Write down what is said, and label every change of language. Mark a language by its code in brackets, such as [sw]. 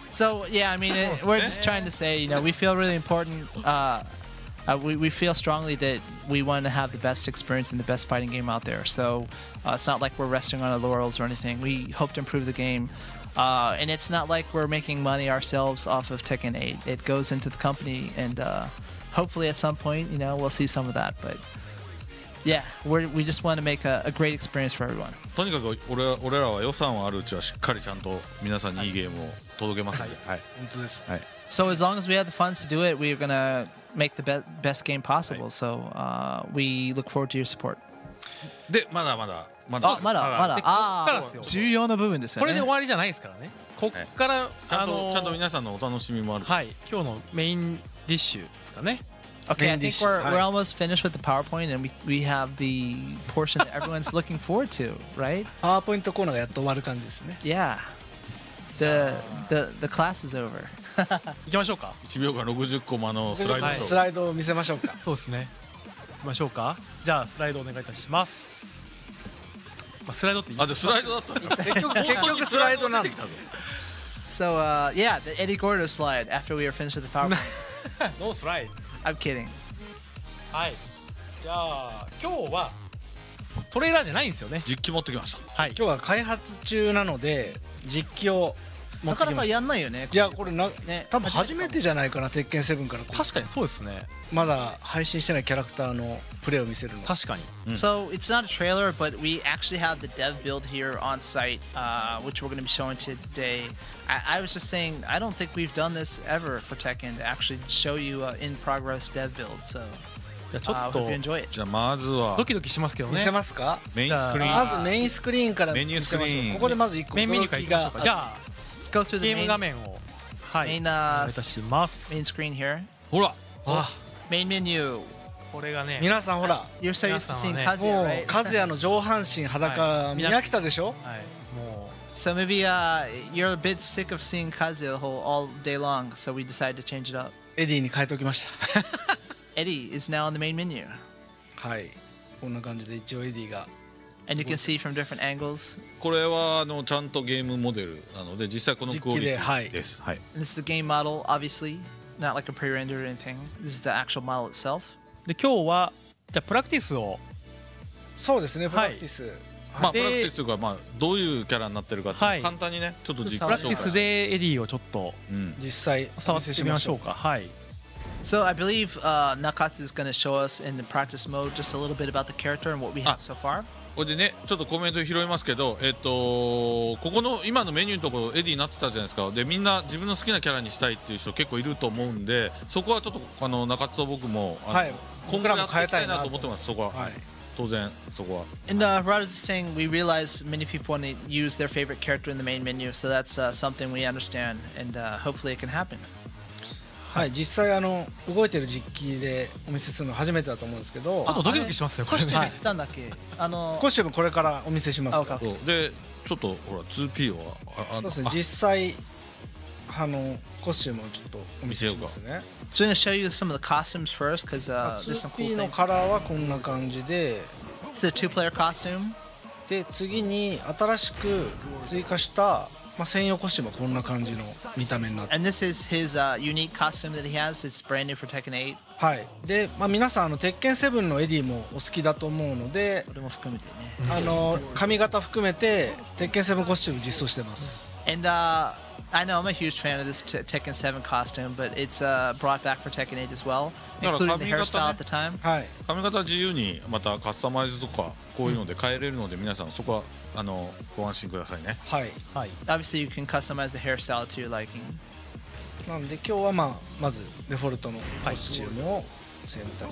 [en] So yeah, I mean it, we're just trying to say, you know, we feel really important, we feel strongly that we want to have the best experience and the best fighting game out there. So it's not like we're resting on our laurels or anything. We hope to improve the gameand it's not like we're making money ourselves off of Tekken 8. It goes into the company andHopefully at some point, you know, we'll see some of that, but yeah, we just want to make a great experience for everyone. [ja] とにかく俺らは予算はあるうちはしっかりちゃんと皆さんにいいゲームを届けますので、はい、本当です。はい。 [en] So as long as we have the funds to do it, we're gonna make the best game possible. So we look forward to your support. [ja] で、まだまだまだまだまだ、ああ、重要な部分ですよね。これで終わりじゃないですからね。こっからちゃんと皆さんのお楽しみもある。はい、今日のメインディッシュですかね。 [en] Okay, I think we're almost finished with the PowerPoint and we have the portion that everyone's looking forward to, right? [ja] PowerPoint コーナーがやっと終わる感じですね。 [en] Yeah, the class is over. [ja] 行きましょうか。 1秒間60個もあのスライドショー、はい、スライドを見せましょうか。そうですね、見せましょうか。じゃあスライドお願いいたします。まあ、スライドって言ったスライドだった。結局スライドなんだ。 [en] So yeah, the Eddie Gordo slide after we are finished with the PowerPoint. No slide. I'm kidding. [ja] はい。じゃあ今日はトレーラーじゃないんですよね。実機持ってきました。はい。今日は開発中なので実機を持ってきました。なかなかやんないよね。いやこれな、ね、多分初めてじゃないかな、鉄拳7から。確かにそうですね。まだ配信してないキャラクターのプレイを見せるの。確かに。 [en] うん、so it's not a trailer, but we actually have the dev build here on site, which we're going to be showing today. I was just saying, I don't think we've done this ever for Tekken to actually show you an in-progress dev build, so I hope you enjoy it. [ja] じゃあまずはドキドキしますけどね。見せますか？メインスクリーン。まずメインスクリーンから見せましょう。ここでまず1個メインメニューからいきましょうか。じゃあゲーム画面を、はい、お願いいたします。メインスクリーン [en] here。 [ja] ほらあメインメニュー。これがね、皆さんほら、 [en] You're so used to seeing Kazuya, right? もう [ja] カズヤの上半身裸、はい、見飽きたでしょ。 [en] So maybe you're a bit sick of seeing Kazuya the whole all day long, so we decided to change it up. [ja] Eddie に変えておきました。 [en] Eddie is now on the main menu. [ja] はい、こんな感じで一応 Eddie が。 [en] And you can see from different angles. [ja] これはあのちゃんとゲームモデルなので実際このクオリティです。はい。 [en] This is the game model, obviously. Not like a pre-render or anything. This is the actual model itself. [ja] で今日はじゃあプラクティスを。そうですね、プラクティス。はい、まあプラクティスというか、まあ、どういうキャラになってるかっていう簡単にね、はい、ちょっと実況プラクティスでエディをちょっと、うん、実際触ってみましょうか。はい。 [en] So I believe Nakatsu is going to show us in the practice mode just a little bit about the character and what we have so far. [ja] これでね、ちょっとコメント拾いますけど、ここの今のメニューのところエディになってたじゃないですか。で、みんな自分の好きなキャラにしたいっていう人結構いると思うんで、そこはちょっとあの中津と僕も、はい、今後やっていきたいなと思ってます。そこは、はい、当然そこは。 [en] And Harada is saying we realize many people want to use their favorite character in the main menu, so that's something we understand and hopefully it can happen. [ja] はい、実際あの動いてる実機でお見せするの初めてだと思うんですけど、ちょっとドキドキしますよ。コスチュームしたんだっけ、あのコスチュームこれからお見せしますよ。でちょっとほら 2P をあの、ね、実際あのコスチュームをちょっとお見せしますね。 [en] So I'm gonna show you some of the costumes first because there's some cool things. [ja] 2P のカラーはこんな感じで、 [en] It's a two-player costume. [ja] で次に新しく追加したまあ、専用コスチュームはこんな感じの見た目になって。 [en] And this is his unique costume that he has. It's brand new for Tekken 8. [ja] はい。で、まあ、皆さんあの Tekken 7のエディもお好きだと思うので、これも含めてね。あの髪型含めて Tekken 7コスチューム実装してます。 [en] And I know I'm a huge fan of this Tekken 7 costume, but it's brought back for Tekken 8 as well, including the hairstyle at the time. [ja] はい。髪型自由にまたカスタマイズとかこういうので変えれるので、うん、皆さんそこは。あのご安心くださいね。はいはい。 [en] Obviously you can customize the hairstyle to your liking。 [ja] なんで今日は、まあ、まずデフォルトのコスチュームを選択。